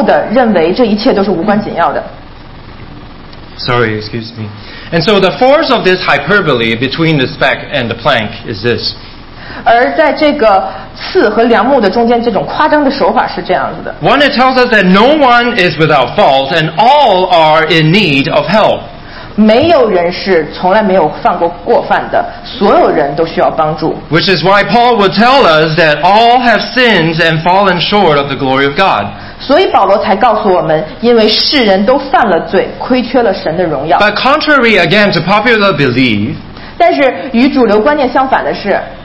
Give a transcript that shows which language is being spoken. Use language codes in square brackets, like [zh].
[zh] 而这个梁木就是一种让我们来变得盲目地认为这一切都是无关紧要的。 [en] Sorry, excuse me. And so the force of this hyperbole between the speck and the plank is this. [zh] 而在这个刺和梁木的中间这种夸张的手法是这样子的。 [en] One, it tells us that no one is without fault and all are in need of help. [zh] 没有人是从来没有犯过过犯的，所有人都需要帮助。 [en] Which is why Paul would tell us that all have sinned and fallen short of the glory of God. [zh] 所以保罗才告诉我们，因为世人都犯了罪，亏缺了神的荣耀。 [en] But contrary again to popular belief, [zh] 但是与主流观念相反的是,